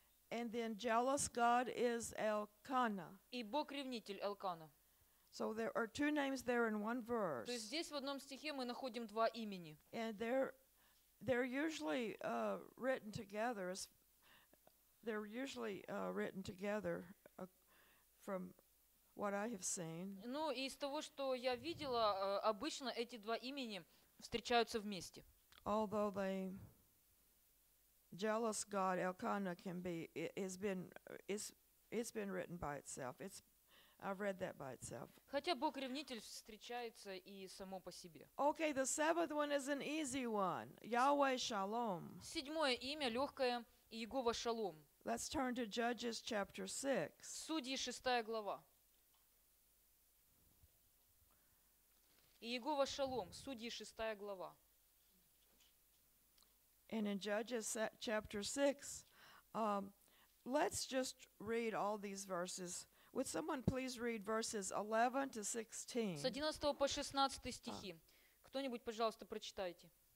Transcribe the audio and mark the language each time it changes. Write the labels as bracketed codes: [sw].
[en] And then jealous God is Элкана. [ru] И Бог ревнитель Элкана. [en] So there are two names there in one verse. [ru] То есть здесь в одном стихе мы находим два имени. [en] And they're usually written together. They're usually written together from what I have seen. [ru] Ну, и из того, что я видела, обычно эти два имени встречаются вместе. [en] Although the jealous God Elkanah can be, it's been written by itself. I've read that by itself. [ru] Хотя Бог ревнитель встречается и само по себе. [en] Okay, the seventh one is an easy one. Yahweh Shalom. [ru] Седьмое имя легкое, Иегова Шалом. [en] Let's turn to Judges chapter 6. [ru] Судьи, шестая глава. Иегова Шалом, Судьи, шестая глава. [en] And in Judges chapter 6, let's just read all these verses. Would someone please read verses 11 to 16? [ru] С 11 по 16 стихи. Кто-нибудь, пожалуйста, прочитайте.